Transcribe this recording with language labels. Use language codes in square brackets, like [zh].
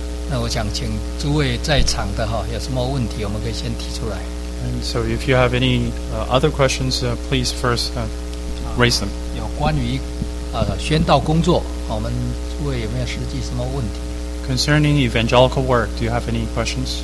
[zh] 那我想请诸位在场的有什么问题，我们可以先提出来。 [en] And so if you have any other questions, please first raise them. [zh] 有关于宣道工作，我们诸位有没有实际什么问题？ [en] Concerning evangelical work, do you have any questions?